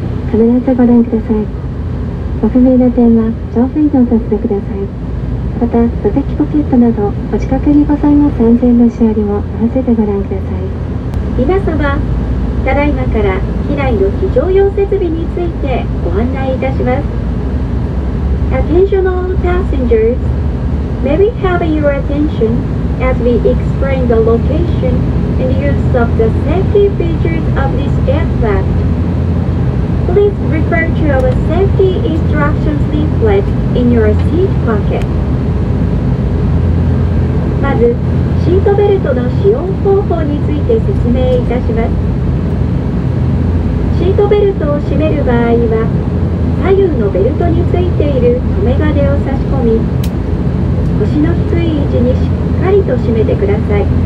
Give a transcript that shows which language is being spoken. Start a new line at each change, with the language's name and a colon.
Japanese: 必ずご覧ください。ご不明な点は乗務員にお尋ねください。また座席ポケットなどお近くにございます安全の仕上げも合わせてご覧ください。皆様ただいまから機内の非常用設備についてご案内いたします。
English: Attentional passengers, may we have your attention as we explain the location and use of the safety features of this aircraftPlease refer to our safety instructions leaflet in your seat pocket.
Japanese: まず、シートベルトの使用方法について説明いたします。シートベルトを締める場合は、左右のベルトについている留め金を差し込み、腰の低い位置にしっかりと締めてください。